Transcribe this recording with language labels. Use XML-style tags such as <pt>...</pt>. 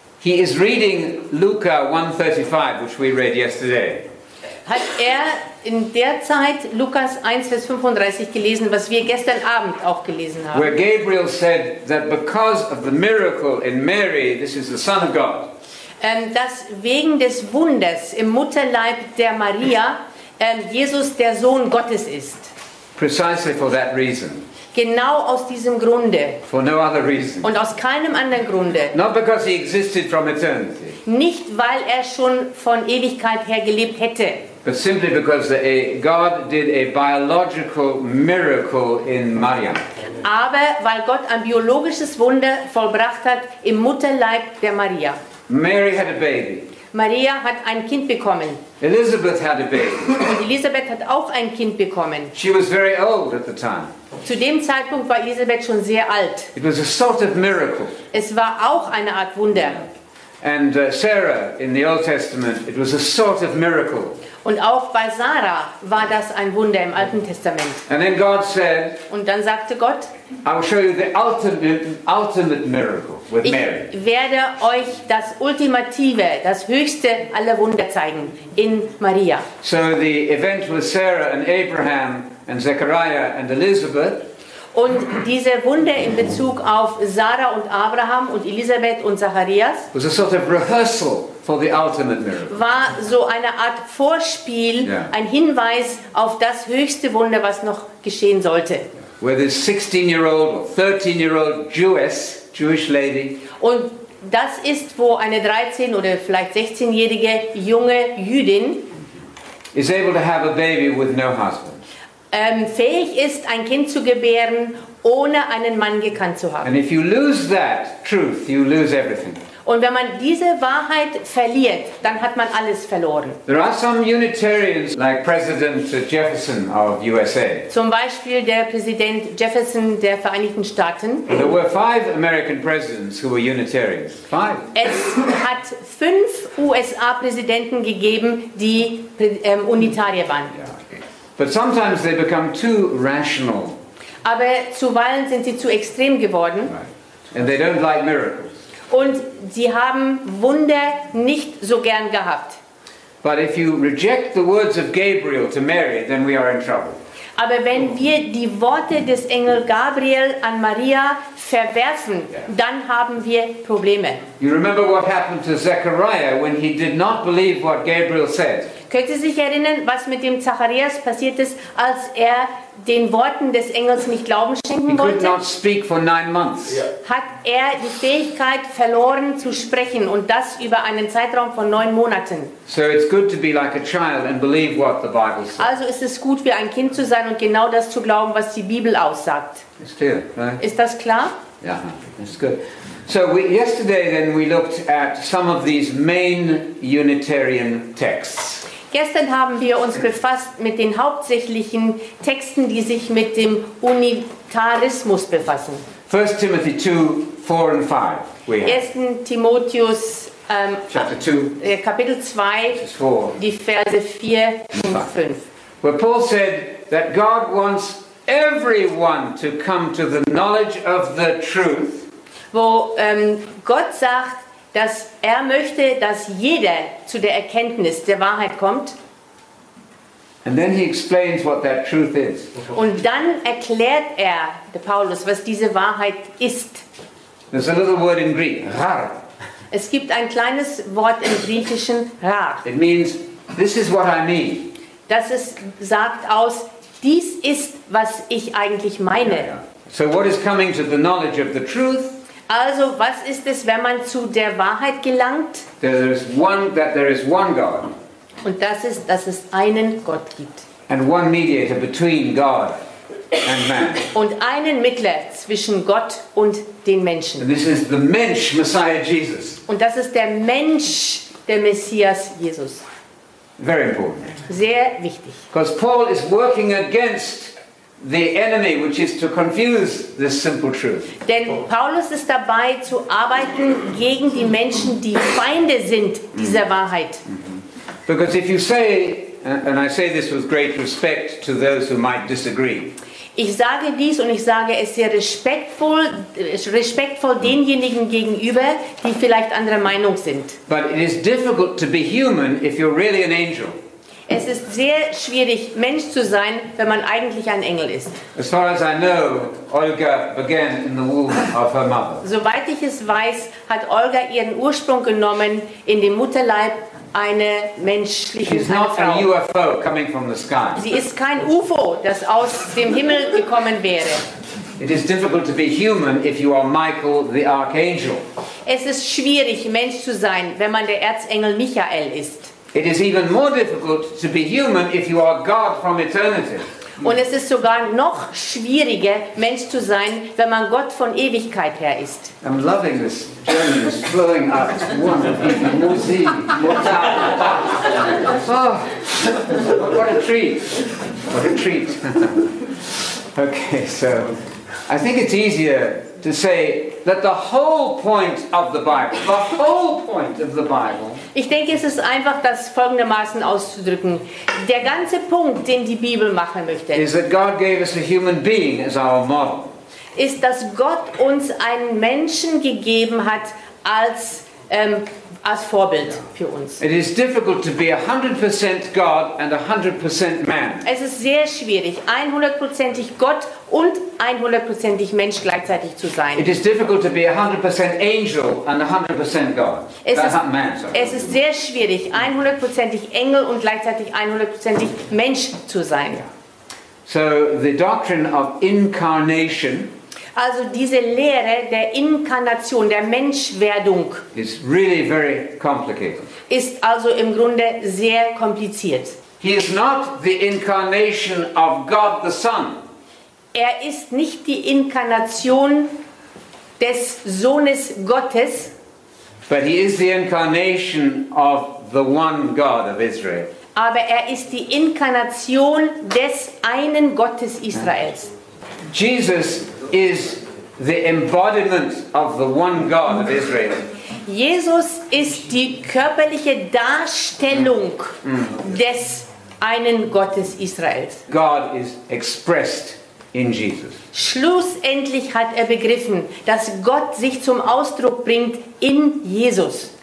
<en>He is reading Luke 1:35, which we read yesterday.</en> <de>Hat er in der Zeit Lukas 1, Vers 35 gelesen, was wir gestern Abend auch gelesen haben.</de> <en>Where Gabriel said that because of the miracle in Mary, this is the Son of God.</en> <de>Dass wegen des Wunders im Mutterleib der Maria Jesus der Sohn Gottes ist.</de> <en>Precisely for that reason.</en> <de>Genau aus diesem Grunde.</de> <en>For no other reason.</en> <de>Und aus keinem anderen Grunde.</de> <en>Not because he existed from eternity.</en> <de>Nicht weil er schon von Ewigkeit her gelebt hätte.</de> <en>But simply because God did a biological miracle in Mariam.</en> <de>Aber weil Gott ein biologisches Wunder vollbracht hat im Mutterleib der Maria.</de> <en>Mary had a baby.</en> <de>Maria hat ein Kind bekommen.</de> <en>Elizabeth had a baby.</en> <de>Und Elisabeth hat auch ein Kind bekommen.</de> <en>She was very old at the time.</en> <de>Zu dem Zeitpunkt war Elisabeth schon sehr alt.</de> <en>It was a sort of miracle.</en> <de>Es war auch eine Art Wunder.</de> <en>And Sarah in the Old Testament, it was a sort of miracle.</en> <de>Und auch bei Sarah war das ein Wunder im Alten Testament.</de> <en>And then God said,</en> <de>und dann sagte Gott,</de> <en>I will show you the ultimate miracle with</en> <de>ich</de> <en>Mary.</en> <de>Werde euch das ultimative, das höchste aller Wunder zeigen in Maria.</de> <en>So the event with Sarah and Abraham and Zechariah and Elizabeth.</en> <de>Und diese Wunder in Bezug auf Sarah und Abraham und Elisabeth und Zacharias</de> <en>was a sort of rehearsal for the ultimate miracle.</en> <de>War so eine Art Vorspiel, yeah. Ein Hinweis auf das höchste Wunder, was noch geschehen sollte.</de> <en>Where this 16-year-old or 13-year-old Jewish lady.</en> <de>Und das ist, wo eine 13- oder vielleicht 16-jährige junge Jüdin</de> <en>is able to have a baby with no husband.</en> <de>Fähig ist, ein Kind zu gebären, ohne einen Mann gekannt zu haben.</de> <en>And if you lose that truth, you lose everything.</en> <de>Und wenn man diese Wahrheit verliert, dann hat man alles verloren.</de> <en>There are some Unitarians, like President Jefferson of USA.</en> <de>Zum Beispiel der Präsident Jefferson der Vereinigten Staaten.</de> <en>There were five American presidents who were Unitarians. Five.</en> <de>Es hat fünf USA-Präsidenten gegeben, die Unitarier waren.</de> <en>Yeah. But sometimes they become too rational.</en> <de>Aber zuweilen sind sie zu extrem geworden.</de> <en>Right. And they don't like miracles.</en> <de>Und sie haben Wunder nicht so gern gehabt.</de> <en>But if you reject the words of Gabriel to Mary, then we are in trouble.</en> <de>Aber wenn wir die Worte des Engel Gabriel an Maria verwerfen, dann haben wir Probleme.</de> <en>You remember what happened to Zechariah when he did not believe what Gabriel said?</en> <de>Könnt ihr sich erinnern, was mit dem Zacharias passiert ist, als er den Worten des Engels nicht Glauben schenken wollte?</de> <en>He could not speak for 9 months.</en> <de>Hat er die Fähigkeit verloren zu sprechen und das über einen Zeitraum von 9 Monaten.</de> <en>So it's good to be like a child and believe what the Bible says.</en> <de>Also ist es gut, wie ein Kind zu sein und genau das zu glauben, was die Bibel aussagt. Ist das klar? Ja, ist gut.</de> <en>So yesterday then we looked at some of these main Unitarian texts.</en> <de>Gestern haben wir uns befasst mit den hauptsächlichen Texten, die sich mit dem Unitarismus befassen.</de> <en>1 Timothy 2, 4 and 5.</en> <de>1 Timotheus Kapitel 2, die Verse 4 und 5.</de> <en>Where Paul said that God wants everyone to come to the knowledge of the truth.</en> <de>Wo Gott sagt, dass er möchte, dass jeder zu der Erkenntnis der Wahrheit kommt.</de> <en>And then he explains what that truth is.</en> <de>Und dann erklärt er, der Paulus, was diese Wahrheit ist.</de> <en>There's a little word in Greek, rar.</en> <de>Es gibt ein kleines Wort im Griechischen, rar.</de> <en>It means, this is what I mean.</en> <de>Das ist, sagt aus, dies ist, was ich eigentlich meine.</de> <en>So what is coming to the knowledge of the truth?</en> <de>Also, was ist es, wenn man zu der Wahrheit gelangt?</de> <en>There is one God.</en> <de>Und das ist, dass es einen Gott gibt.</de> <en>And one mediator between God and man.</en> <de>Und einen Mittler zwischen Gott und den Menschen.</de> <en>And this is the Mensch, Messiah Jesus.</en> <de>Und das ist der Mensch, der Messias Jesus.</de> <en>Very important.</en> <de>Sehr wichtig.</de> <en>Because Paul is working against the enemy, which is to confuse this simple truth.</en> <de>Denn Paulus ist dabei zu arbeiten gegen die Menschen, die Feinde sind dieser Wahrheit.</de> <en>Because if you say, and I say this with great respect to those who might disagree.</en> <de>Ich sage dies und ich sage es sehr respektvoll denjenigen gegenüber, die vielleicht anderer Meinung sind.</de> <en>But it is difficult to be human if you're really an angel.</en> <de>Es ist sehr schwierig, Mensch zu sein, wenn man eigentlich ein Engel ist.</de> <en>As far as I know, Olga began in the womb of her mother.</en> <de>Soweit ich es weiß, hat Olga ihren Ursprung genommen in dem Mutterleib einer menschlichen Frau.</de> <en>She's not</en> <de>eine Frau.</de> <en>A UFO coming from the sky.</en> <de>Sie ist kein UFO, das aus dem Himmel gekommen wäre.</de> <en>It is difficult to be human if you are Michael the Archangel.</en> <de>Es ist schwierig, Mensch zu sein, wenn man der Erzengel Michael ist.</de> <en>It is even more difficult to be human if you are God from eternity.</en> <de>Und es ist sogar noch schwieriger, Mensch zu sein, wenn man Gott von Ewigkeit her ist.</de> <en>I'm loving this journey, it's flowing up. It's wonderful. More sea, more time. Oh, what a treat. What a treat. Okay, so I think it's easier to say that the whole point of the Bible, the whole point of the Bible.</en> <de>Ich denke, es ist einfach, das folgendermaßen auszudrücken. Der ganze Punkt, den die Bibel machen möchte,</de> <en>is that God gave us a human being as our model.</en> <de>Ist, dass Gott uns einen Menschen gegeben hat als, als Vorbild für uns.</de> <en>It is difficult to be 100% God and 100% man.</en> <de>Es ist sehr schwierig, 100%ig Gott und 100%ig Mensch gleichzeitig zu sein.</de> <en>It is difficult to be 100% angel and 100% God.</en> <de>Es ist sehr schwierig, 100%ig Engel und gleichzeitig 100%ig Mensch zu sein.</de> <en>So the doctrine of incarnation.</en> <de>Also diese Lehre der Inkarnation, der Menschwerdung,</de> <en>is really very complicated.</en> <de>Ist also im Grunde sehr kompliziert.</de> <en>He is not the incarnation of God the Son.</en> <de>Er ist nicht die Inkarnation des Sohnes Gottes,</de> <en>but he is the incarnation of the one God of Israel.</en> <de>Aber er ist die Inkarnation des einen Gottes Israels.</de> <en>Jesus is the embodiment of the one God of Israel.</en> <de>Jesus ist die körperliche Darstellung des einen Gottes Israels.</de> <en>God is expressed in Jesus.</en> <de>Schlussendlich hat er begriffen, dass Gott sich zum Ausdruck bringt in Jesus.</de>